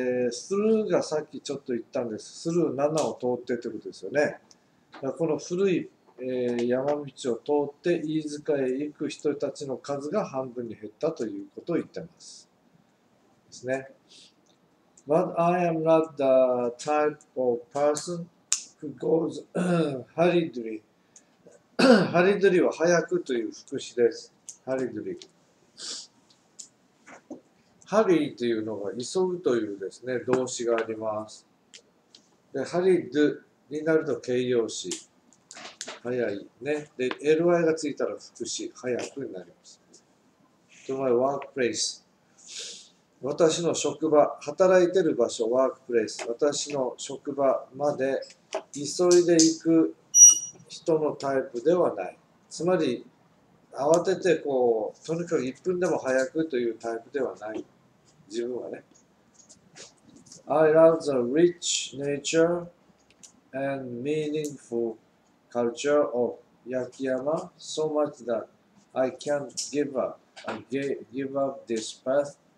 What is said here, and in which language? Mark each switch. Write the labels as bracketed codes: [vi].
[ja] スルーがさっきちょっと言ったんです。スルー7を通ってってことですよね。だからこの古い、山道を通って飯塚へ行く人たちの数が半分に減ったということを言ってます。ですね。 [en] But I am not the type of person who goes hurriedly. [ja] Hurriedly は早くという副詞です。Hurriedly。 Hurry というのが急ぐというですね、動詞があります。で、Hurried になると形容詞。早い。ね。で、ly がついたら副詞、早くになります。 [en] To my workplace. [ja] 私の職場、働いてる場所、ワークプレイス、私の職場まで急いで行く人のタイプではない。つまり、慌ててこう、とにかく1分でも早くというタイプではない。自分はね。 [en] I love the rich nature and meaningful culture of 焼き山 so much that I can't give up this path.